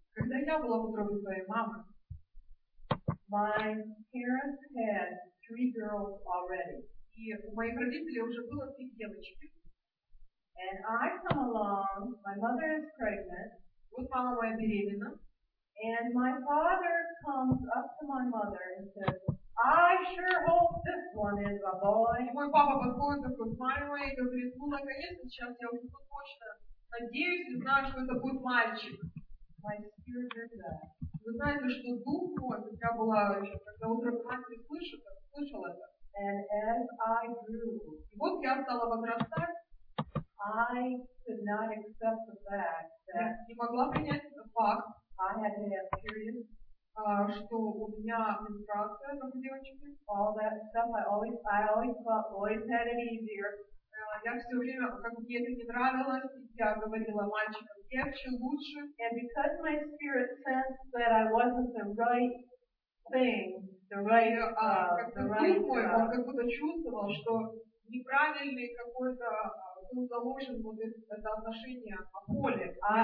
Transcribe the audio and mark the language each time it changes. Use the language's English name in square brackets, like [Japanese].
[Russian] когда я была в утробе своей мамы, [English] my parents had three girls already. [Russian] И у моих родителей уже было три девочки. [English] And I come along, my mother is pregnant. [Russian] Вот мама моя беременна. [English] And my father comes up to my mother and says, I sure hope this one is a boy. [Russian] И мой папа подходит к такой маме моей и говорит, ну наконец-то сейчас я уже точно надеюсь и знаю, что это будет мальчик. [English] My spirit heard that. [Russian] Вы знаете, что дух мой, когда была еще, когда утром мать слышал это. [English] And as I grew, [Russian] и вот я стала возрастать. [English] I could not accept the fact. [Russian] Не могла принять этот факт, [English] I had to have periods, [Russian] что у меня менструация, как у девочки. [English] All that stuff, I always thought boys had it easier. [Russian] Я все время, как мне это не нравилось, я говорила мальчикам, легче, лучше. [English] And because my spirit sensed that I wasn't the right things, the right [Russian] он как будто чувствовал, что неправильный какой-то был заложен вот это отношение о поле.